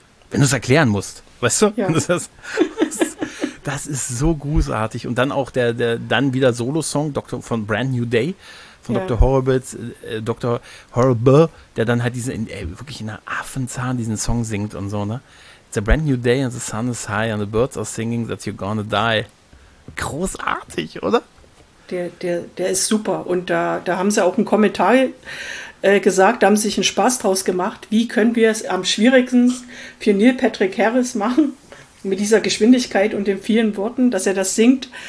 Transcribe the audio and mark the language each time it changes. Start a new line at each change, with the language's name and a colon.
German: Wenn du es erklären musst, weißt du? Ja. Das ist so großartig. Und dann auch der dann wieder Solo-Song von Brand New Day, von Dr. Horrible, Dr. Horrible, der dann halt wirklich in der Affenzahn diesen Song singt und so, ne?
English: It's a brand new day and the sun is high and the birds are singing that you're gonna die.
German: Großartig, oder? Der ist super. Und da haben sie auch einen Kommentar gesagt, da haben sie sich einen Spaß draus gemacht. Wie können wir es am schwierigsten für Neil Patrick Harris machen, mit dieser Geschwindigkeit und den vielen Worten, dass er das singt?